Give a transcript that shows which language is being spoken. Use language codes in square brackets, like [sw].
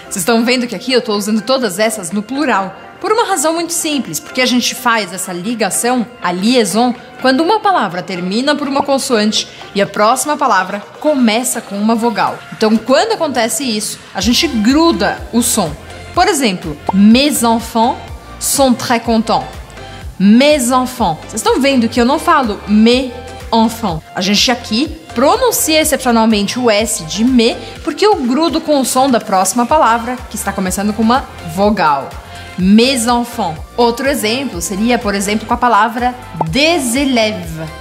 [pt] Vocês estão vendo que aqui eu estou usando todas essas no plural. Por uma razão muito simples, porque a gente faz essa ligação, a liaison, quando uma palavra termina por uma consoante e a próxima palavra começa com uma vogal. Então, quando acontece isso, a gente gruda o som. [fr] Por exemplo, mes enfants sont très contents. Mes enfants. [pt] Vocês estão vendo que eu não falo [fr] mes enfants. [pt] A gente aqui pronuncia excepcionalmente o S de me, porque eu grudo com o som da próxima palavra, que está começando com uma vogal. [fr] Mes enfants. [pt] Outro exemplo seria, por exemplo, com a palavra [fr] des élèves.